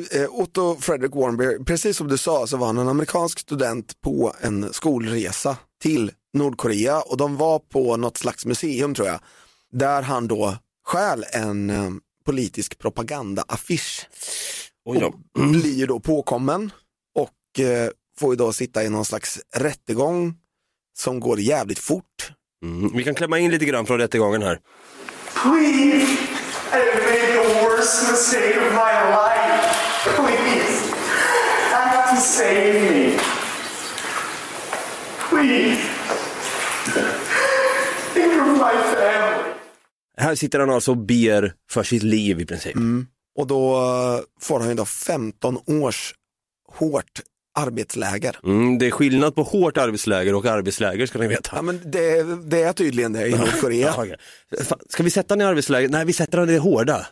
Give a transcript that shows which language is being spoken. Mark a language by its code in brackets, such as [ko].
[sv] Otto Frederick Warmbier, precis som du sa, så var han en amerikansk student på en skolresa till Nordkorea, och de var på något slags museum, tror jag, där han då stjäl en politisk propagandaaffisch och blir då påkommen och får ju då sitta i någon slags rättegång som går jävligt fort. Mm. Vi kan klämma in lite grann från rättegången här. [en] Please, I made the worst mistake of my life. Please, I have to save me. Please, think of my family. [sv] Här sitter han alltså och ber för sitt liv i princip. Mm. Och då får han ju då 15 års hårt arbetsläger. Mm, det är skillnad på hårt arbetsläger och arbetsläger, ska ni veta. Ja, men det är tydligen det i Nordkorea. Ja, okay. Ska vi sätta han i arbetsläger? Nej, vi sätter han i det hårda.